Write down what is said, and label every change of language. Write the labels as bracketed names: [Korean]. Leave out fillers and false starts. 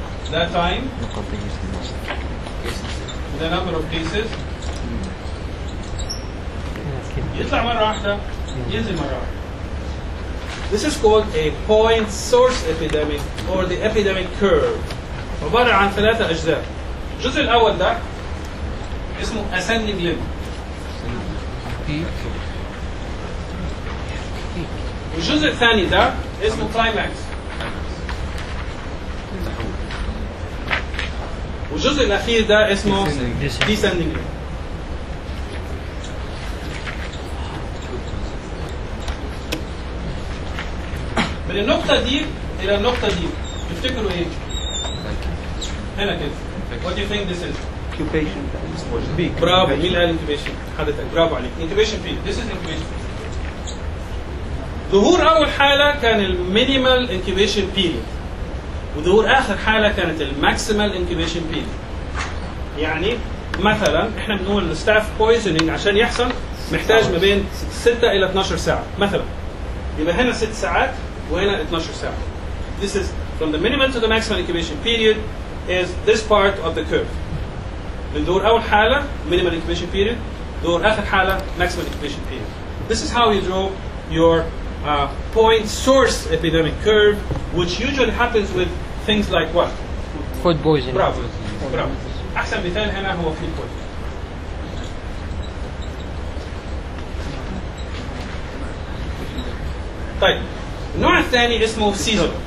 [English] That time, the number of cases, [Arabic] يطلع مرة واحدة, ينزل مرة واحدة. [English] This is called a point source epidemic or the epidemic curve. [Arabic] عبارة عن ثلاثة أجزاء. الجزء الأول ده اسمه ascending limb. والجزء الثاني ده اسمه climax. والجزء الأخير ده اسمه descending limb. من النقطة دي إلى النقطة دي تفتكروا إيه؟ هنا كده. [English] What do you think this is? Incubation. [Arabic] برافو. مين قال incubation؟ حد تاني. برافو عليك. [English] Incubation period. This is incubation. [Arabic] ظهور أول حالة كان ال minimal incubation period. وظهور آخر حالة كانت ال maximal incubation period. يعني مثلا إحنا بنقول staff poisoning عشان يحصل محتاج ما بين 6 إلى 12 ساعة. مثلا. يبقى هنا 6 ساعات. وهنا 12 ساعة. [English] This is from the minimal to the maximal incubation period is this part of the curve. [Arabic] من دور أول حالة minimal incubation period, دور آخر حالة maximal incubation period. [English] This is how you draw your point source epidemic curve, which usually happens with things like what? Food poisoning. Bravo. Bravo. [Arabic] أحسن مثال هنا هو food poisoning. طيب. النوع الثاني اسمه سيزون.